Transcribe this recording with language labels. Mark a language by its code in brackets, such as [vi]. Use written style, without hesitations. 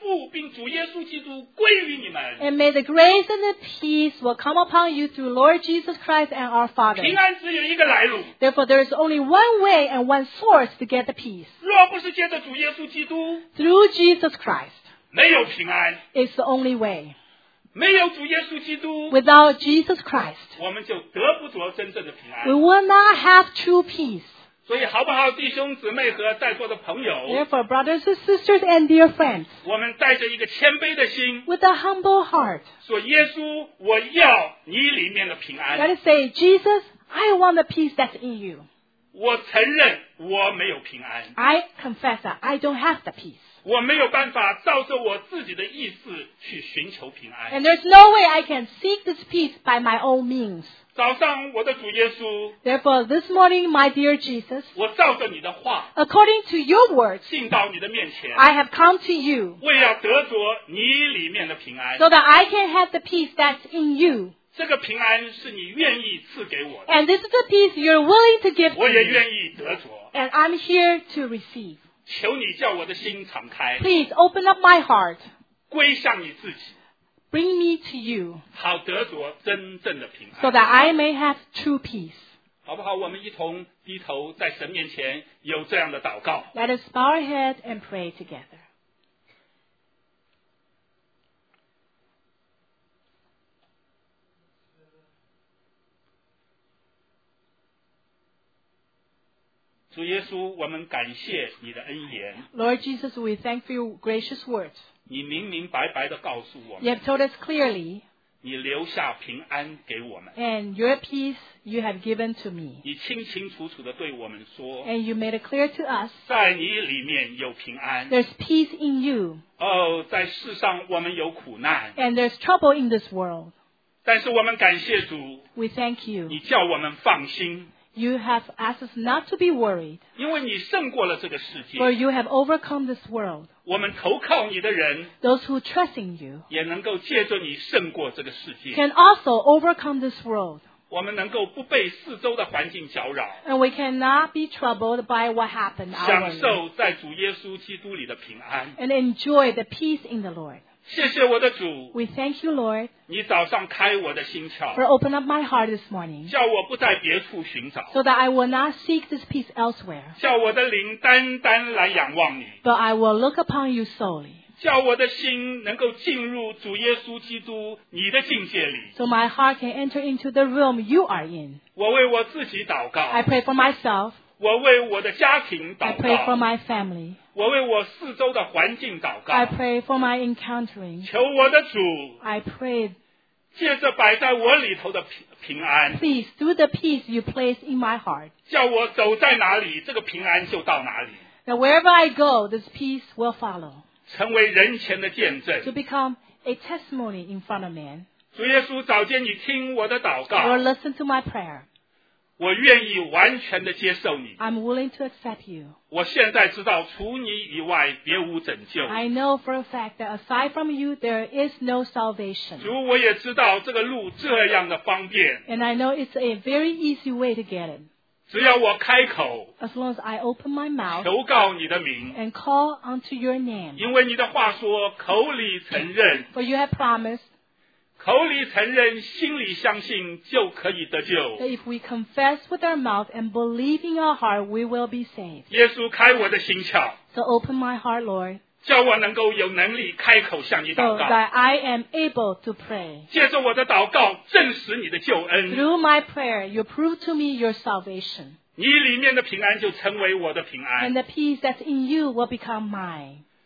[zh] 愿恩惠平安从神我们的父并主耶稣基督归于你们, [en] and may the grace and the peace will come upon you through Lord Jesus Christ and our Father. [zh] 平安只有一个来路, [en] therefore there is only one way and one source to get the peace, [zh] 若不是借着主耶稣基督, [en] through Jesus Christ, [zh] 没有平安, [en] it's the only way. [zh] 没有主耶稣基督, [en] without Jesus Christ, [zh] 我们就得不着真正的平安, [en] we will not have true peace. [zh] 所以好不好, 弟兄姊妹和在座的朋友, [en] therefore, brothers and sisters and dear friends, [zh] 我们带着一个谦卑的心, [en] with a humble heart, [zh] 说耶稣, 我要你里面的平安, [en] let us say, Jesus, I want the peace that's in you. [zh] 我承认我没有平安, [en] I confess that I don't have the peace. [zh] 我没有办法照着我自己的意思去寻求平安, [en] and there's no way I can seek this peace by my own means. [zh] 早上我的主耶稣, [en] therefore this morning my dear Jesus, [zh] 我照着你的话, [en] according to your words, [zh] 进到你的面前, [en] I have come to you, [zh] 为要得着你里面的平安, [en] so that I can have the peace that's in you. [zh] 这个平安是你愿意赐给我的, [en] and this is the peace you're willing to give to me. [zh] 我也愿意得着, [en] and I'm here to receive. [zh] 求你叫我的心敞开, [en] please open up my heart, [zh] 归向你自己, [en] bring me to you, [zh] 好得着真正的平安, [en] so that I may have true peace. [zh] 好不好, 我们一同低头在神面前, 有这样的祷告, [en] let us bow our head and pray together. [zh] 主耶稣, 我们感谢你的恩言, [en] Lord Jesus, we thank you for your gracious words. [zh] 你明明白白地告诉我们, [en] you have told us clearly, [zh] 你留下平安给我们, [en] and your peace you have given to me. [zh] 你清清楚楚地对我们说, [en] and you made it clear to us, [zh] 在你里面有平安, [en] there's peace in you. [zh] Oh, 在世上我们有苦难, [en] and there's trouble in this world. [zh] 但是我们感谢主, [en] we thank you, [zh] 你叫我们放心, [en] you have asked us not to be worried, [zh] 因为你胜过了这个世界, [en] for you have overcome this world. [zh] 我们投靠你的人, [en] those who trust in you, [zh] 也能够借着你胜过这个世界, [en] can also overcome this world. [zh] 我们能够不被四周的环境搅扰, [en] and we cannot be troubled by what happened our way, [zh] 享受在主耶稣基督里的平安, [en] and enjoy the peace in the Lord. [zh] 谢谢我的主, [en] we thank you, Lord, [zh] 你早上开我的心窍, [en] for open up my heart this morning, [zh] 叫我不在别处寻找, [en] so that I will not seek this peace elsewhere, [zh] 叫我的灵单单来仰望你, [en] but I will look upon you solely, [zh] 叫我的心能够进入主耶稣基督你的境界里, [en] so my heart can enter into the realm you are in. [zh] 我为我自己祷告, [en] I pray for myself, [zh] 我为我的家庭祷告, [en] I pray for my family, [zh] 我为我四周的环境祷告, [en] I pray for my encountering, [zh] 求我的主, [en] I pray, [zh] 借着摆在我里头的平安, [en] please do the peace you place in my heart, [zh] 叫我走在哪里, 这个平安就到哪里, [en] that wherever I go, this peace will follow, [zh] 成为人前的见证, [en] to become a testimony in front of man. [zh] 主耶稣, 早间你听我的祷告, [en] Lord, listen to my prayer, [zh] 我愿意完全的接受你。 [en] I'm willing to accept you. [zh] 我现在知道除你以外别无拯救。 [en] I know for a fact that aside from you there is no salvation. [zh] 主，我也知道这个路这样的方便。 [en] And I know it's a very easy way to get in. [zh] 只要我开口。 [en] As long as I open my mouth. [zh] 求告你的名。 [en] And call unto your name. [zh] 因为你的话说口里承认。 [en] For you have promised. [zh] 口里承认，心里相信，就可以得救。 [en] If we confess with our mouth and believe in our heart, we will be saved. [zh] 耶稣开我的心窍。 [en] So open my heart, Lord. [zh] 叫我能够有能力开口向你祷告。 [en] So that I am able to pray. [zh] 借着我的祷告，证实你的救恩。 [en] Through my prayer, you prove to me your salvation. [zh] 你里面的平安就成为我的平安。 [en] And the peace that's in you will become mine.